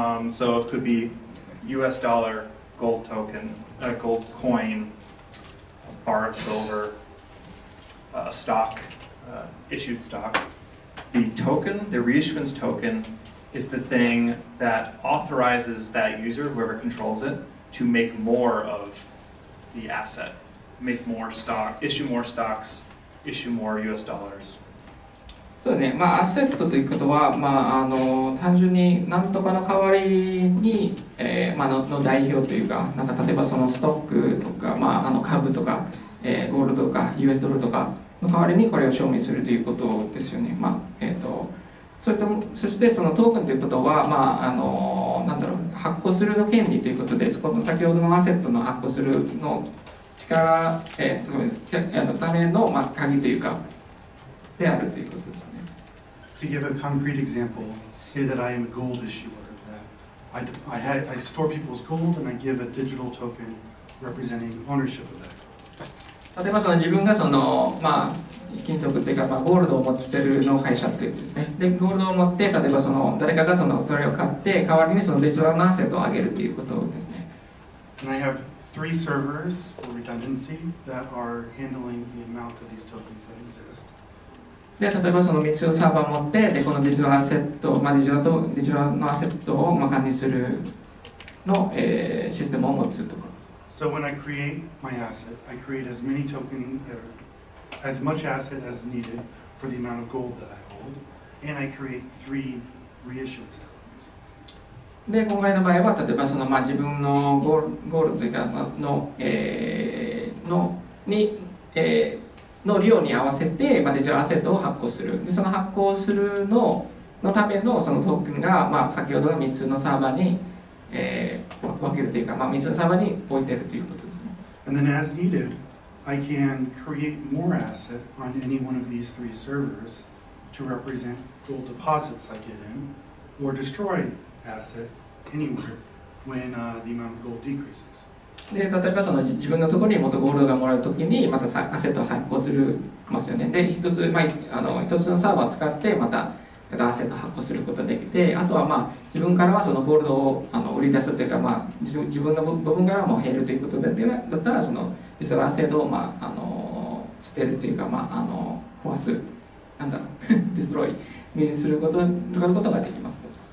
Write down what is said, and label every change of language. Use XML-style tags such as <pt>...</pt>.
<en>So it could be US dollar, gold token, a gold coin, a bar of silver, stock, issued stock. The token, the reissuance token, is the thing that authorizes that user, whoever controls it, to make more of the asset, make more stock, issue more stocks, issue more US dollars.</en> <ja>そうですね。まあ、アセットということは、まあ、あの、単純に何とかの代わりに、まあ、の代表というか、なんか例えばそのストックとか、まあ、あの株とか、ゴールドとか、US ドルとか、の代わりにこれを証明するということですよね。まあ、それとそしてそのトークンということは、まあ、あの、なんだろう、発行するの権利ということです。この先ほどのアセットの発行するの力、ための、まあ、鍵というか、であるということですね。</ja> <en>To give a concrete example, say that I am a gold issuer, that I store people's gold and I give a digital token representing ownership of that.</en> <ja>例えばその自分がその、まあ、金属というか、まあ、ゴールドを持っているの会社というですね。で、ゴールドを持って、例えばその誰かがそのそれを買って、代わりにそのデジタルのアセットをあげるということですね。</ja> <en>And I have three servers for redundancy that are handling the amount of these tokens that exist.</en> <ja>で、例えばその3つのサーバーを持って、で、このデジタルアセット、まあ、デジタルのアセットをまあ管理するの、システムを持つとか。</ja> <en>So when I create my asset, I create as many token, as much asset as needed for the amount of gold that I hold, and I create three reissuance tokens.</en> <ja>で、今回の場合は、例えばその、まあ、自分のゴールというかの、の量に合わせて、まあ、デジタルアセットを発行する。で、その発行するのためのそのトークンが、まあ、先ほどの3つのサーバーに、分けるというか、まあ、水のサーバーに置いているということですね。</ja> <en>And then as needed, I can create more asset on any one of these three servers to represent gold deposits I get in, or destroy asset anywhere when the amount of gold decreases.</en> <ja>で、例えばその自分のところに元ゴールドがもらうときにまたアセットを発行するますよね。で、一つ、まあ、あの一つのサーバーを使ってまたアセットを発行することができて、あとは、まあ、自分からはそのゴールドをあの売り出すというか、まあ、自分の部分からも減るということで、だったらそのデジタルアセットを、まあ、あの捨てるというか、まあ、あの壊す、なんだろう、デストロイにすること、ることができますと。</ja>